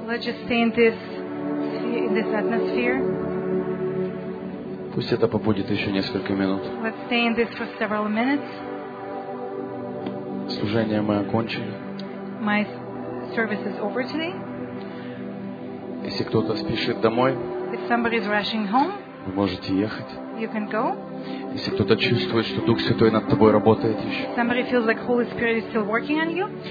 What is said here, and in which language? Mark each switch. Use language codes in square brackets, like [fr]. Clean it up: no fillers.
[en] Let's just stay in this atmosphere. [ru] Пусть это побудет еще несколько минут. [en] Let's stay in this for several minutes. [ru] Служение мы окончили. [en] My service is over today. [ru] Если кто-то спешит домой, [en] if somebody is rushing home, [ru] вы можете ехать. [en] You can go. [ru] Если кто-то чувствует, что Дух Святой над тобой работает еще, [en] somebody feels like Holy Spirit is still working on you,